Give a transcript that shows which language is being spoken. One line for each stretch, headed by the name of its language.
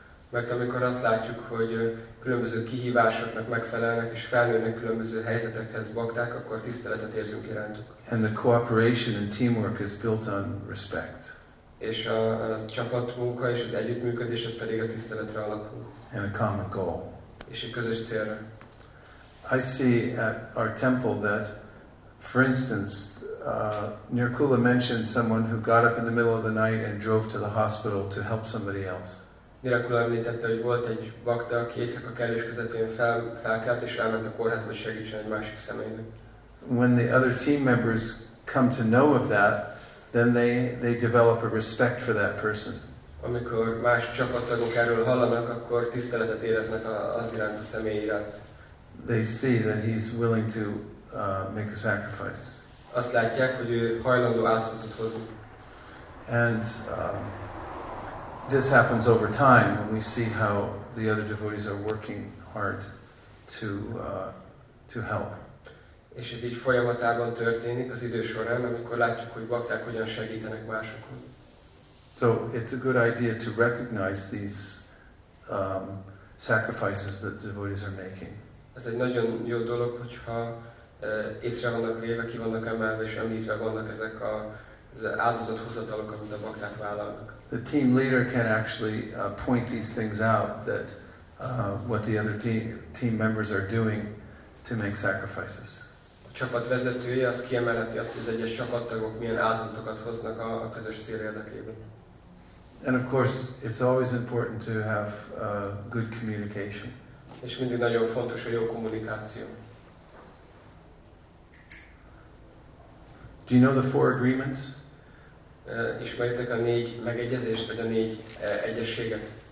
Hungarian: Mert amikor azt látjuk, hogy különböző kihívásoknak megfelelnek és felnőnek különböző helyzetekhez bakták, akkor tiszteletet érzünk irántuk.
English: And the cooperation and teamwork is built on respect.
Hungarian: És a csapatmunka és az együttműködés ez pedig a tiszteletre alapul.
English: And a common goal.
Hungarian: És egy közös célra.
English: I see at our temple that, for instance, Nirkula mentioned someone who got up in the middle of the night and drove to the hospital to help somebody else.
Hungarian: Nirkula említette, hogy volt egy bakta, aki éjszaka kellős közepén felkelt és elment a kórházba, hogy segítsen egy másik személynek.
English: When the other team members come to know of that, then they develop a respect for that person.
Hungarian: Amikor más csapattagok erről hallanak, akkor tiszteletet éreznek az iránt, a személy iránt.
English: They see that he's willing to make a sacrifice.
Hungarian: Azt látják, hogy ő hajlandó áldozatot hozni.
English: And this happens over time when we see how the other devotees are working hard to help.
Hungarian: És ez így folyamatában történik az idő során, amikor látjuk, hogy bakták hogyan segítenek másokon.
English: So it's a good idea to recognize these sacrifices that devotees are making.
Hungarian: Ez egy nagyon jó dolog, hogyha észre vannak véve, ki vannak emelve, és említve vannak ezek az áldozathozatalok, amit a bakták vállalnak.
English: The team leader can actually point these things out, that what the other team members are doing to make sacrifices.
Hungarian: Csapatvezetője az kiemelheti azt, hogy az egyes csapattagok milyen áldozatokat hoznak a közös cél érdekében.
English: And of course, it's always important to have good communication.
Hungarian: És mindig nagyon fontos a jó kommunikáció.
English: Do you know the four agreements?
Hungarian: Ismeritek a négy megegyezést, vagy a négy egyességet?